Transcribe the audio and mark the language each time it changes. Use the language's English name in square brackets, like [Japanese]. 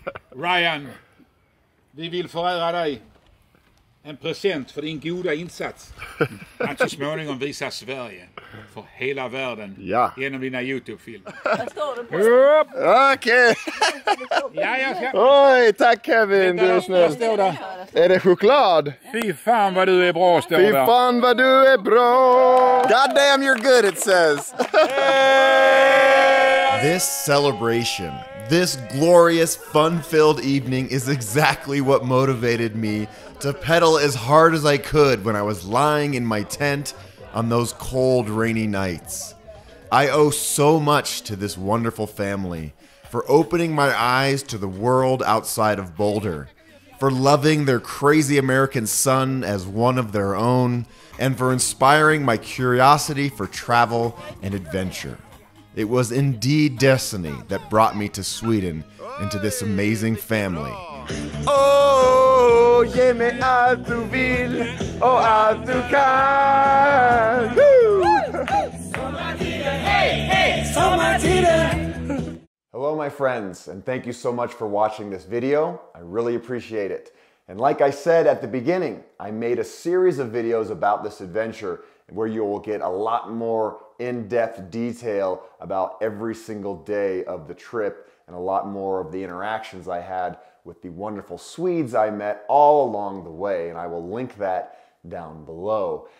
[Swedish] Ryan, vi vill förära dig en present för din goda insats att så småningom visa Sverige för hela världen genom dina YouTube-filmer. Okej! Oj, tack Kevin, du är snäll. Är det choklad? Fy fan vad du är bra, står där. Fy fan vad du är bra! [English] God damn, you're good, it says. This celebration, this glorious, fun-filled evening is exactly what motivated me to pedal as hard as I could when I was lying in my tent on those cold, rainy nights. I owe so much to this wonderful family for opening my eyes to the world outside of Boulder, for loving their crazy American son as one of their own, and for inspiring my curiosity for travel and adventure. It was indeed destiny that brought me to Sweden and to this amazing family. [Swedish] Oh, ge mig allt du vill och allt du kan. Sommartider, hey, hey, sommartider. [English] Hello, my friends, and thank you so much for watching this video. I really appreciate it. And like I said at the beginning, I made a series of videos about this adventure where you will get a lot more in-depth detail about every single day of the trip and a lot more of the interactions I had with the wonderful Swedes I met all along the way, and I will link that down below.